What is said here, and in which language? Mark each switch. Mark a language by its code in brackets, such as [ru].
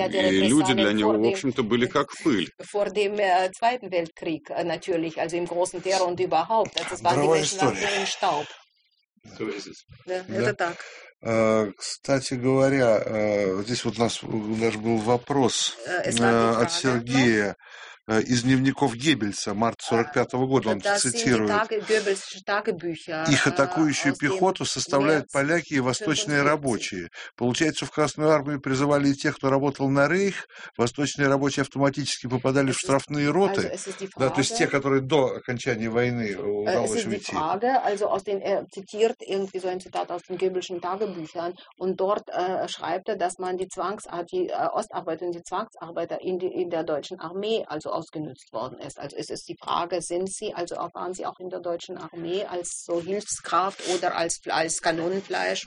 [ru] И люди для него, в общем-то, были как пыль. [de] Vor dem Zweiten Weltkrieg natürlich, also im großen Terror und überhaupt. Das war die Menschen nach Staub. [ru] Да, это так. Кстати говоря, здесь вот у нас даже был вопрос от Сергея. из дневников Геббельса, март 1945 года, он цитирует. Их атакующую пехоту составляют поляки и восточные рабочие. Получается, в Красную армию призывали и тех, кто работал на рейх, восточные рабочие автоматически попадали в штрафные роты, да, то есть те, которые до окончания войны удалось уйти. [de] Zitiert irgendwie so ein Zitat aus den Göbelschen Tagebüchern und dort schreibt er, dass man die Ostarbeiter und die Zwangsarbeiter in der deutschen Armee also ausgenutzt worden ist. Also es ist die Frage, sind sie, also waren sie auch in der deutschen Armee als so Hilfskraft oder als Kanonenfleisch?